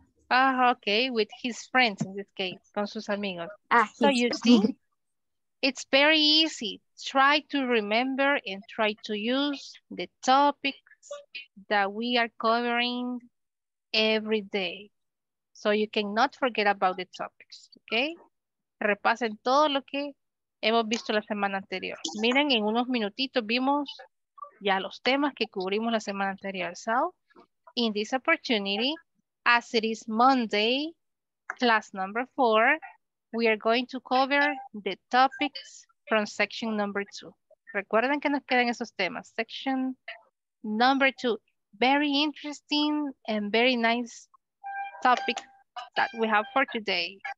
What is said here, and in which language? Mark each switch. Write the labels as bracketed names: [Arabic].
[English] Ah, okay. With his friends in this case. [Spanish] Con sus amigos. Ah, [English] so you see, it's very easy. Try to remember and try to use the topics that we are covering every day. So you cannot forget about the topics. Okay? [Spanish] Repasen todo lo que hemos visto la semana anterior. Miren, en unos minutitos vimos ya los temas que cubrimos la semana anterior. [English] So, in this opportunity, as it is Monday, class number 4, we are going to cover the topics from section number 2. [Spanish] Recuerden que nos quedan esos temas. [English] Section number 2, very interesting and very nice topic that we have for today.